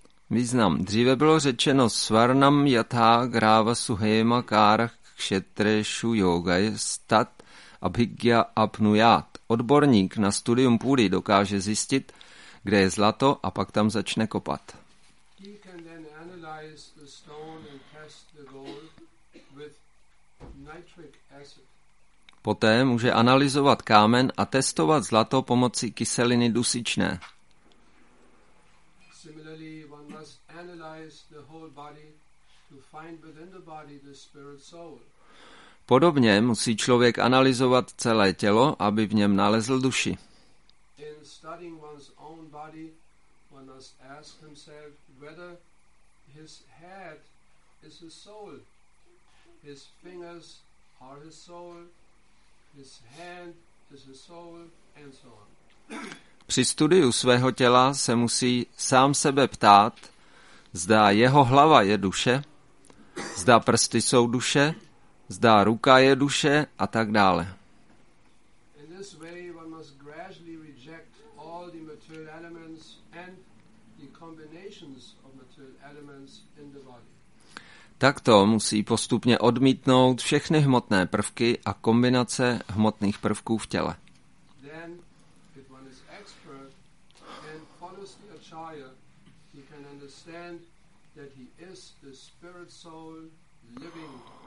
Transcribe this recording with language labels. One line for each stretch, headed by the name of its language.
Czech: Význam. Dříve bylo řečeno
Sanskrit: svarnam yatha gravasu hema karakshetreshu yogayastat abhigya apnuyat.
Czech: Odborník na studium půdy dokáže zjistit, kde je zlato a pak tam začne kopat.
English: He can then analyze the stone and test the gold with nitric acid.
Czech: Poté může analyzovat kámen a testovat zlato pomocí kyseliny dusičné.
English: Similarly, one must analyze the whole body to find within the body the spirit soul.
Czech: Podobně musí člověk analyzovat celé tělo, aby v něm nalezl duši.
English: In studying one's own body, one must ask himself whether his head is his soul, his fingers are his soul, his hand is his soul, and so on.
Czech: Při studiu svého těla se musí sám sebe ptát, zda jeho hlava je duše, zda prsty jsou duše, zda ruka je duše a tak dále.
English: In this way one must gradually reject all the material elements and the combinations of material elements in the body.
Czech: Takto musí postupně odmítnout všechny hmotné prvky a kombinace hmotných prvků v těle.
English: Then, if one is expert and follows the acharya, he can understand that he is the spirit soul living.